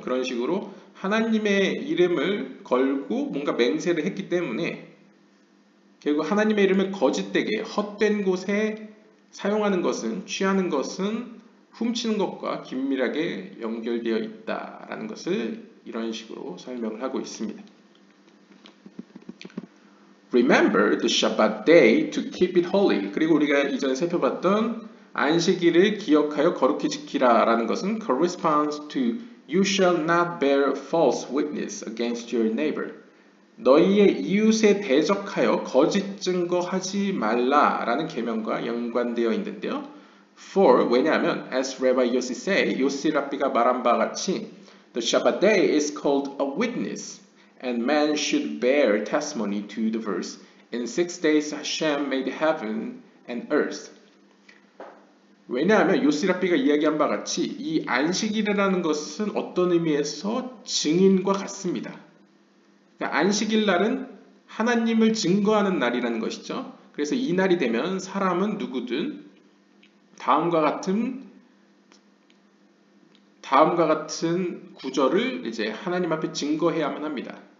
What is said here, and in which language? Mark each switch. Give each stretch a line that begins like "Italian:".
Korean: 그런 식으로 하나님의 이름을 걸고 뭔가 맹세를 했기 때문에 결국 하나님의 이름을 거짓되게 헛된 곳에 사용하는 것은 취하는 것은 훔치는 것과 긴밀하게 연결되어 있다라는 것을 이런 식으로 설명을 하고 있습니다.
English: Remember the Shabbat day to keep it holy.
Korean: 그리고 우리가 이전에 살펴봤던 안식일을 기억하여 거룩히 지키라라는 것은
English: corresponds to you shall not bear false witness against your neighbor.
Korean: 너희의 이웃에 대적하여 거짓 증거하지 말라라는 계명과 연관되어 있는데요.
English: For
Korean: 왜냐하면
English: as Rabbi Yossi say,
Korean: 요시 랍비가 말한 바와 같이
English: the Shabbat day is called a witness and man should bear testimony to the verse in six days Hashem made heaven and earth.
Korean: 왜냐하면 요시 랍비가 이야기한 바와 같이 이 안식일이라는 것은 어떤 의미에서 증인과 같습니다. 안식일 날은 하나님을 증거하는 날이라는 것이죠. 그래서 이 날이 되면 사람은 누구든 다음과 같은 구절을 이제 하나님 앞에 증거해야만 합니다.